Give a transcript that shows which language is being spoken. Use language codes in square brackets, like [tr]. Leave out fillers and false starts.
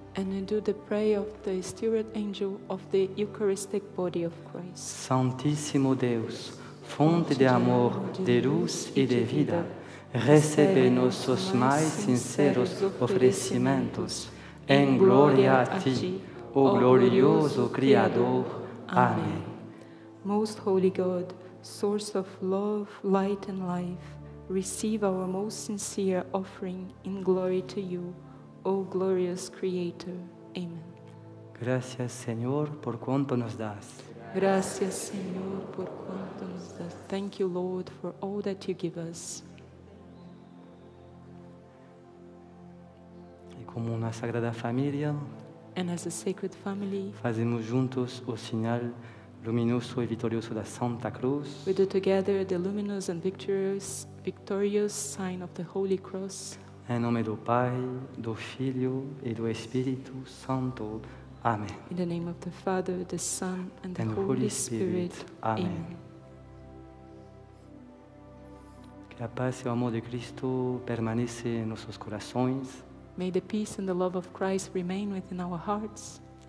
[en] And I do the prayer of the steward angel of the Eucharistic body of Christ. [pt] Santíssimo Deus, fonte de amor, de luz e de vida, recebe nossos mais sinceros oferecimentos em glória a Ti, o glorioso Criador. Amém. [en] Most Holy God, source of love, light and life, receive our most sincere offering in glory to You. O glorious Creator. Amen. [es] Gracias, Senhor, por quanto nos das. Gracias, Senhor, por quanto nos das. [en] Thank you, Lord, for all that you give us. [pt] E como uma sagrada família, [en] and as a sacred family, [pt] fazemos juntos o sinal luminoso e vitorioso da Santa Cruz. [en] We do together the luminous and victorious sign of the Holy Cross. [pt] Em nome do Pai, do Filho e do Espírito Santo. Amém. [en] In the name of the Father, the Son, and the Holy Spirit. [pt] Amém. Que a paz e o amor de Cristo permaneça em nossos corações. [en] May the peace and the love of Christ remain within our hearts.